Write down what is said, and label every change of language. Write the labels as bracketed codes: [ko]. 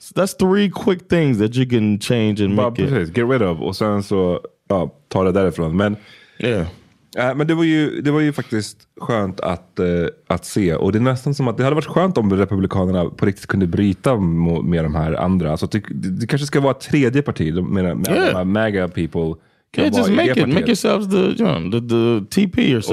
[en] That's three quick things that you can change and make [sv] precis, [en] it get rid of, [sv] och sen så ta det därifrån. Men men det var ju faktiskt skönt att se, och det är nästan som att det hade varit skönt om republikanerna på riktigt kunde bryta med de här andra, så alltså, det kanske ska vara tredje parti med de här [en] MAGA people. Yeah, just make it. Make yourselves the TP or something.